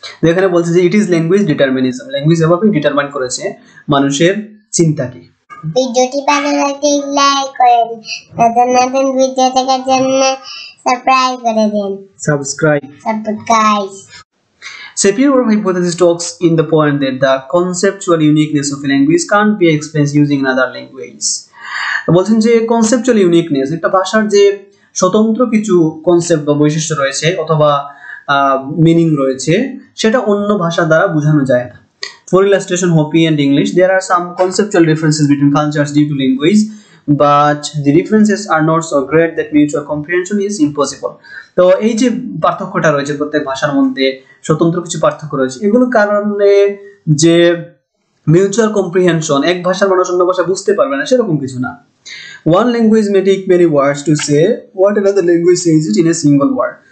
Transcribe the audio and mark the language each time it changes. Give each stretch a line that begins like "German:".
Bangla: এখানে বলছে যে
English: it is language determinism,
Bangla: language এভাবে ডিটারমাইন করেছে মানুষের চিন্তাকে। ভিডিওটি ভালো লাগলে লাইক করেন, নতুন নতুন ভিডিও দেখার জন্য সাবস্ক্রাইব করে দিন,
English: Subscribe subscribe. Sapir-Whorf hypothesis talks in the point that the conceptual uniqueness of a language can't be expressed using another language.
Bangla: বলছেন যে conceptual uniqueness, একটা ভাষার যে স্বতন্ত্র কিছু কনসেপ্ট বা বৈশিষ্ট্য রয়েছে অথবা মিনিং রয়েছে, সেটা অন্য ভাষা দ্বারা বোঝানো যায় না।
English: For illustration, Hopi and English, there are some conceptual differences between cultures due to language, but the differences are not so great that mutual comprehension is impossible.
Bangla: তো এই যে পার্থক্যটা রয়েছে প্রত্যেক ভাষার মধ্যে, স্বতন্ত্র কিছু পার্থক্য রয়েছে, এগুলোর কারণে যে মিউচুয়াল কম্প্রিহেনশন এক ভাষার মানুষ অন্য ভাষা বুঝতে পারবে না সেরকম কিছু না।
English: One language may take many words to say what another language says it in a single word.